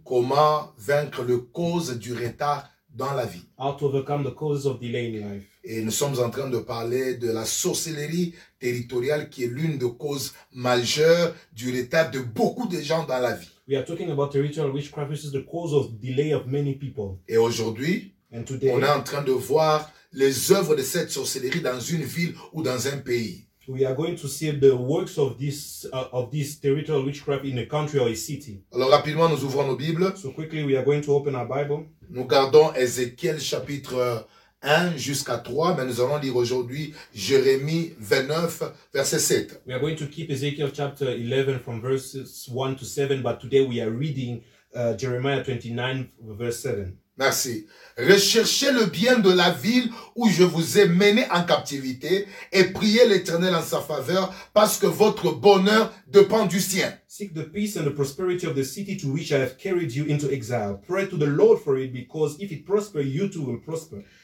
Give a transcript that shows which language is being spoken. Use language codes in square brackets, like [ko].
[fr] Comment vaincre le cause du retard dans la vie. [en] How to overcome the causes of delay in life. [fr] Et nous sommes en train de parler de la sorcellerie territoriale qui est l'une des causes majeures du retard de beaucoup de gens dans la vie. [en] We are talking about territorial witchcraft, which is the cause of delay of many people. [fr] Et aujourd'hui, [en] and today, [fr] on est en train de voir les œuvres de cette sorcellerie dans une ville ou dans un pays. [en] We are going to see the works of this territorial witchcraft in a country or a city. [fr] Alors rapidement, nous ouvrons nos Bibles. [en] So quickly, we are going to open our Bible. [fr] Nous gardons Ezekiel chapitre 1 jusqu'à 3, mais nous allons lire aujourd'hui Jérémie 29, verset 7. [en] We are going to keep Ezekiel chapter 11 from verses 1 to 7, but today we are reading Jeremiah 29, verse 7. [fr] Merci. Recherchez le bien de la ville où je vous ai mené en captivité et priez l'Éternel en sa faveur parce que votre bonheur dépend du sien. [en] Seek the peace and the prosperity of the city to which I have carried you into exile. Pray to the Lord for it because if it prospers, you too will prosper.